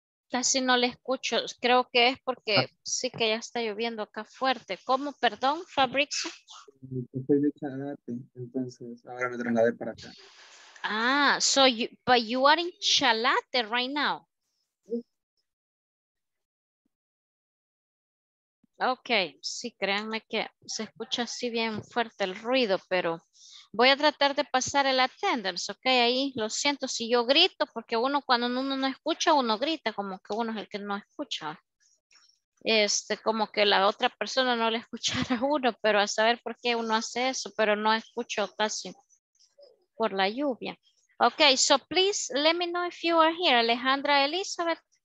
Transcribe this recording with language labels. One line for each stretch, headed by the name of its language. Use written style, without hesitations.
Spanish: Casi no le escucho, creo que es porque sí que ya está lloviendo acá fuerte. ¿Cómo? Perdón, Fabrizio. Estoy de Chalate, entonces ahora me trasladé para acá.
English: Ah, so you, but you are in Chalate right now.
Spanish: Ok, sí, créanme que se escucha así bien fuerte el ruido, pero voy a tratar de pasar el attendance, ok, ahí lo siento si yo grito, porque uno cuando uno no escucha, uno grita, como que uno es el que no escucha, como que la otra persona no le escuchara a uno, pero a saber por qué uno hace eso, pero no escucho casi por la lluvia.
English: Ok, so please let me know if you are here, Alejandra Elizabeth.